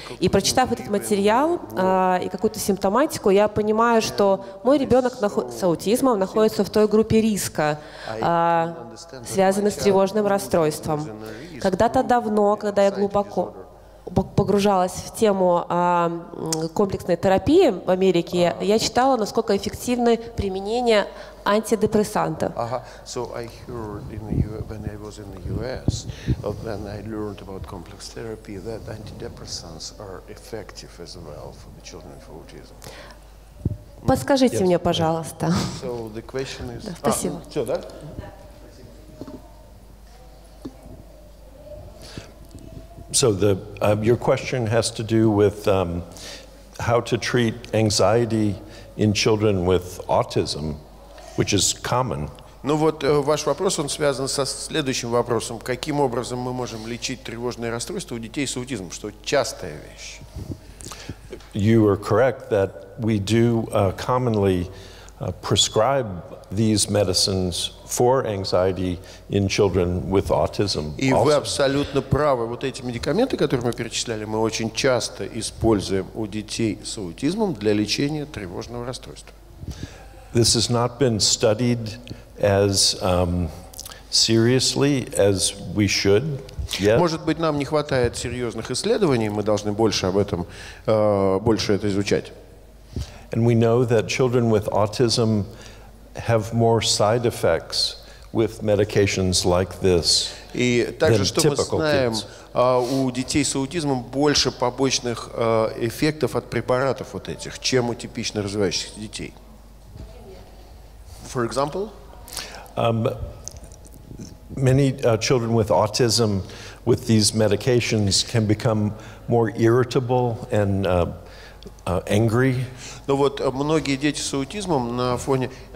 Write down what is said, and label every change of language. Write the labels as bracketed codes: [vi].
[ru] И прочитав этот материал и какую-то симптоматику, я понимаю, что мой ребенок с аутизмом находится в той группе риска, связанной с тревожным расстройством. Когда-то давно, когда я глубоко погружалась в тему комплексной терапии в Америке, я читала, насколько эффективны применение антидепрессантов. [en] So I heard in the US, when I was in the US, when I learned about complex therapy, that antidepressants are effective as well for the children with autism. [ru] Подскажите мне, пожалуйста. [en] So the question is, [ru] спасибо. Все, да? [en] So the your question has to do with how to treat anxiety in children with autism, which is common. [ru] Ну вот ваш вопрос, он связан со следующим вопросом. Каким образом мы можем лечить тревожные расстройства у детей с аутизмом, что частая вещь? [en] You are correct that we do commonly prescribe these medicines for anxiety in children with autism. [ru] И вы абсолютно правы. Вот эти медикаменты, которые мы перечисляли, мы очень часто используем у детей с аутизмом для лечения тревожного расстройства. [en] This has not been studied as seriously as we should. [ru] Может быть, нам не хватает серьезных исследований, мы должны больше об этом, больше это изучать. [en] And we know that children with autism have more side effects with medications like this than typical kids. [ru] У детей с аутизмом больше побочных эффектов от препаратов вот этих, чем у типично развивающихся детей. [en] For example? Many children with autism with these medications can become more irritable and angry. [ru] Но вот многие дети с аутизмом на фоне...